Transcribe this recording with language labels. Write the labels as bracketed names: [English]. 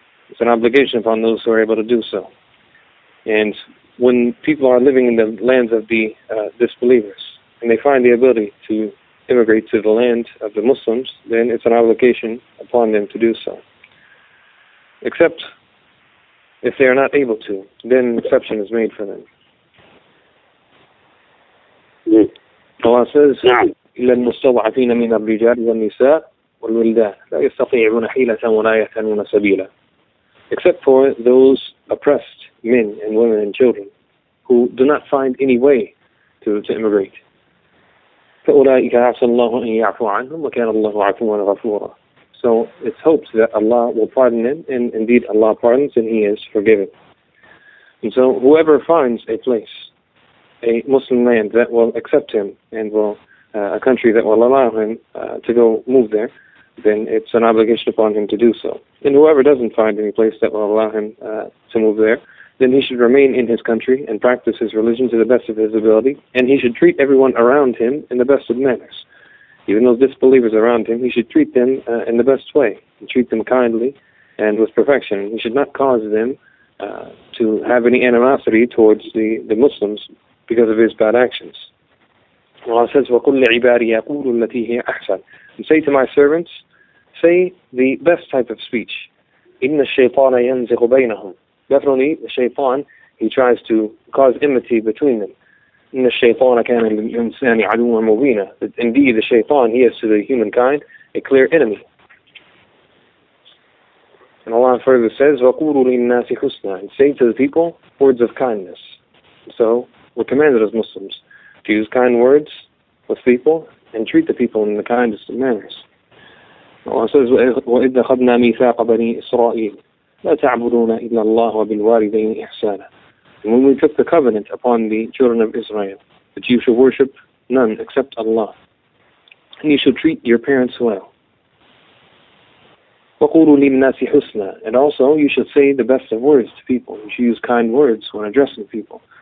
[English] It's an obligation upon those who are able to do so. And when people are living in the lands of the disbelievers, and they find the ability to immigrate to the land of the Muslims, then it's an obligation upon them to do so. Except if they are not able to, then an exception is made for them. Allah says, [Arabic] إِلَّا الْمُسْتَضْعَفِينَ مِنَ الرِّجَالِ وَالنِّسَاءِ وَالْوِلْدَانِ لَا يَسْتَطِيعُونَ حِيلَةً وَلَا يَهْتَدُونَ سَبِيلًا. [English] Except for those oppressed men and women and children who do not find any way to immigrate. [Arabic] فَأُولَٰئِكَ عَسَى اللَّهُ أَن يَعْفُوَ عَنْهُمْ وَكَانَ اللَّهُ عَفُوًا غَفُورًا. [English] So it's hoped that Allah will pardon them, and indeed Allah pardons and He is forgiven. And so whoever finds a place, a Muslim land that will accept him and will a country that will allow him to go move there, then it's an obligation upon him to do so. And whoever doesn't find any place that will allow him to move there, then he should remain in his country and practice his religion to the best of his ability, and he should treat everyone around him in the best of manners. Even those disbelievers around him, he should treat them in the best way, and treat them kindly and with perfection. He should not cause them to have any animosity towards the Muslims because of his bad actions. Allah says, [Arabic] وَقُلْ لِعِبَادِي يَقُولُ الَّتِي هِيَ أَحْسَنُ. [English] And say to my servants, say the best type of speech. [Arabic] إِنَّ الشَّيْطَانَ يَنْزِغُ بَيْنَهُمْ. [English] Definitely, the shaytan, he tries to cause enmity between them. [Arabic] إِنَّ الشَّيْطَانَ كَانَ لِلْإِنسَانِ عَدُوًا مُبِينًا. [English] Indeed, the shaytan, he is to the humankind a clear enemy. And Allah further says, [Arabic] وَقُولُوا لِلنَّاسِ حُسْنًا, [English] and say to the people words of kindness. So we're commanded as Muslims to use kind words with people and treat the people in the kindest of manners. Allah says, [Arabic] وَإِذْ أَخَذْنَا مِيثَاقَ بَنِي إِسْرَائِيلَ لَا تَعْبُدُونَ إِلَّا اللَّهَ وَبِالْوَالِدَيْنِ إِحْسَانًا. [English] And when we took the covenant upon the children of Israel, that you should worship none except Allah, and you should treat your parents well. [Arabic] وَقُولُوا لِلنَّاسِ حُسْنًا. [English] And also, you should say the best of words to people. You should use kind words when addressing people.